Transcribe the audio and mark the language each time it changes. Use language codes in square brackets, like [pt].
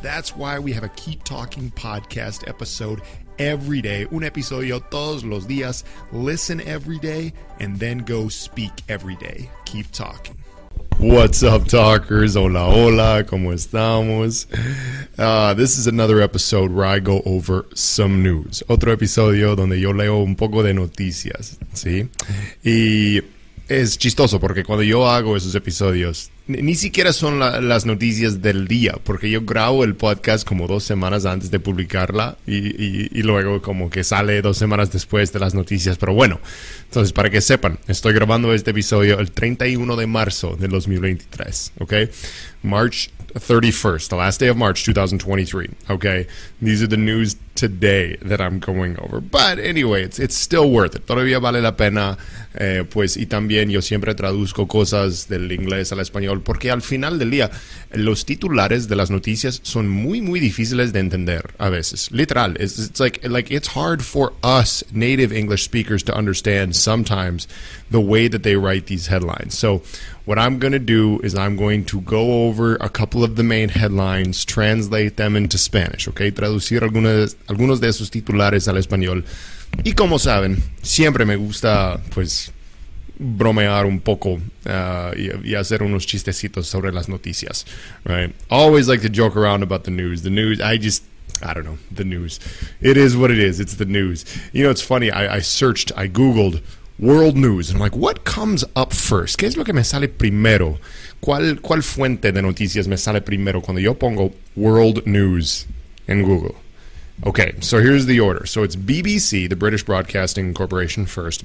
[en] That's why we have a Keep Talking Podcast episode every day. [es] Un episodio todos los días. [en] Listen every day and then go speak every day. Keep talking. What's up, talkers? [es] Hola, hola, ¿cómo estamos? [en] This is another episode where I go over some news. [es] Otro episodio donde yo leo un poco de noticias, ¿sí? Y es chistoso porque cuando yo hago esos episodios, ni siquiera son las noticias del día, porque yo grabo el podcast como dos semanas antes de publicarla y luego como que sale dos semanas después de las noticias. Pero bueno, entonces para que sepan, estoy grabando este episodio el 31 de marzo del 2023, ¿ok? [en] March 31st, the last day of March 2023, ¿ok? These are the news today that I'm going over. But anyway, it's still worth it. [es] Todavía vale la pena, pues, y también yo siempre traduzco cosas del inglés al español, porque al final del día los titulares de las noticias son muy muy difíciles de entender a veces, literal. [en] It's like it's hard for us native English speakers to understand sometimes the way that they write these headlines. So what I'm going to do is I'm going to go over a couple of the main headlines, translate them into Spanish, okay? [es] Traducir algunos de esos titulares al español. Y como saben, siempre me gusta pues bromear un poco y hacer unos chistecitos sobre las noticias, right? [en] Always like to joke around about the news. The news, I don't know, the news. It is what it is, it's the news. You know, it's funny, I googled world news, and I'm like, what comes up first? [es] ¿Qué es lo que me sale primero? ¿Cuál fuente de noticias me sale primero cuando yo pongo world news en Google? [en] Okay, so here's the order. So it's BBC, the British Broadcasting Corporation, first.